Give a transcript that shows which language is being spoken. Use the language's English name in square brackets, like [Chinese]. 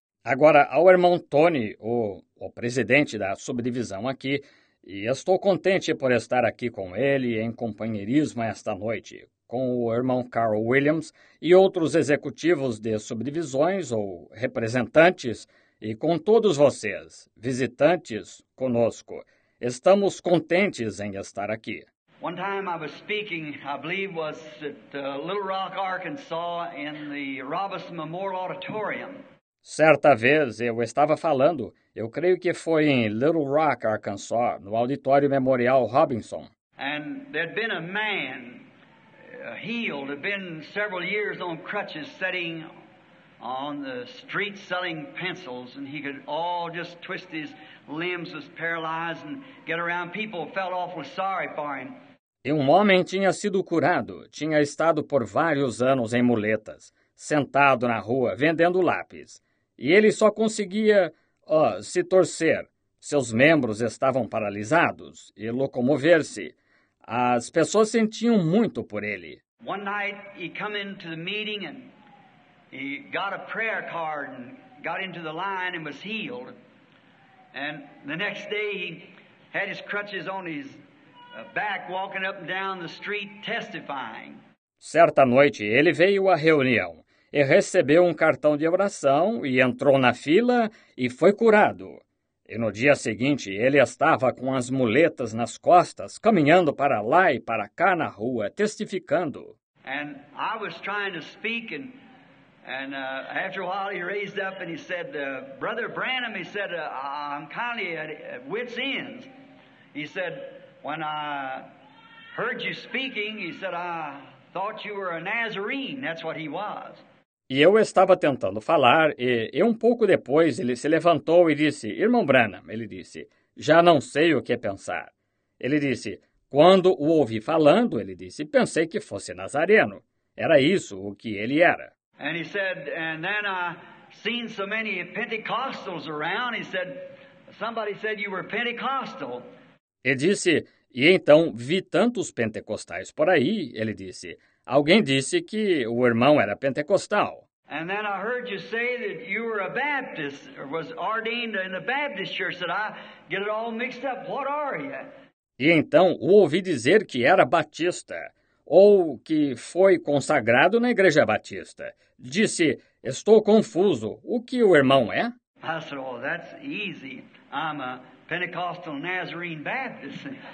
[Portuguese] Agora, ao irmão Tony, o presidente da subdivisão aqui, e estou contente por estar aqui com ele em companheirismo esta noite, com o irmão Carl Williams e outros executivos de subdivisões ou representantes, e com todos vocês, visitantes, conosco. Estamos contentes em estar aqui. [English] One time I was speaking, I believe was at Little Rock, Arkansas, in the Robison Memorial Auditorium. [Portuguese] Certa vez eu estava falando, eu creio que foi em Little Rock, Arkansas, no Auditório Memorial Robinson. [English] And there'd been a man healed, had been several years on crutches, sitting on the street selling pencils, and he could all just twist his limbs, was paralyzed, and get around. People felt awfully sorry for him. [Portuguese] E um homem tinha sido curado, tinha estado por vários anos em muletas, sentado na rua, vendendo lápis. E ele só conseguia, se torcer. Seus membros estavam paralisados e locomover-se. As pessoas sentiam muito por ele. [English] One night he came into the meeting and he got a prayer card and got into the line and was healed. And the next day he had his crutches on his back, walking up and down the street testifying. [Portuguese] Certa noite ele veio à reunião e recebeu um cartão de oração e entrou na fila e foi curado. E no dia seguinte, ele estava com as muletas nas costas, caminhando para lá e para cá na rua, testificando. [English] And I was trying to speak, and after a while he raised up and he said, Brother Branham, he said, I'm kind of at wit's end. He said, when I heard you speaking, he said, I thought you were a Nazarene. That's what he was. [Portuguese] E eu estava tentando falar, e um pouco depois ele se levantou e disse, Irmão Branham, ele disse, já não sei o que pensar. Ele disse, quando o ouvi falando, ele disse, pensei que fosse Nazareno. Era isso o que ele era. [English] And he said, and then I seen so many Pentecostals around, he said, somebody said you were Pentecostal. [Portuguese] E disse, e então vi tantos pentecostais por aí, ele disse, alguém disse que o irmão era pentecostal. [English] And then I heard you say that you were a Baptist, or was ordained in the Baptist church, that I get it all mixed up. What are you? [Portuguese] E então o ouvi dizer que era batista, ou que foi consagrado na igreja batista. Disse, estou confuso, o que o irmão é? [English] I said, oh, that's easy. I'm a Pentecostal Nazarene Baptist.